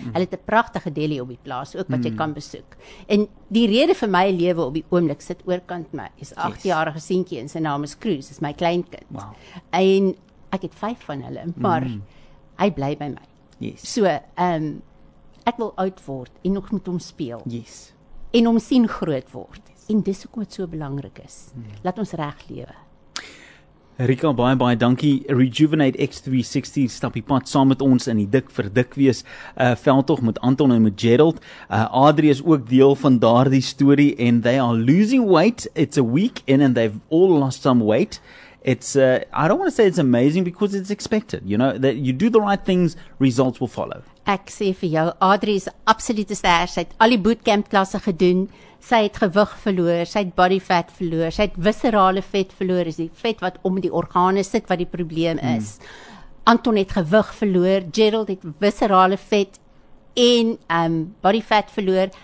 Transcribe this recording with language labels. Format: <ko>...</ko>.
<af>Hulle het 'n pragtige deli op die plaas, ook wat jy kan besoek. En die rede vir my lewe op die oomblik sit oorkant my, is 8-jarige seentjie, en sy naam is Cruz, is my kleinkind. Wow. En ek het 5 van hulle, maar hy bly by my.</af> <en>Yes.</en> <af>So, ek wil oud word, en nog met hom speel.</af> <en>Yes.</en> <af>En hom sien groot word. En dis ook wat so belangrik is. Laat ons reg lewe. Rika, baie baie dankie. Rejuvenate X360 stappie pad saam met ons in die dik vir dik wees veldtog met Anton en met Gerald. Adrie is ook deel van daardie story and they are losing weight.</af> <en>It's a week in and they've all lost some weight. It's I don't want to say it's amazing because it's expected, you know, that you do the right things, results will follow.</en> <af>Ek sê vir jou, Adrie is absolute ster. Sy het al die bootcamp klasse gedoen. Sy het gewig verloor, sy het body fat verloor, sy het viscerale vet verloor, is die vet wat om die organe sit wat die probleem is. Anton het gewig verloor, Gerald het viscerale vet en body fat verloor.</af>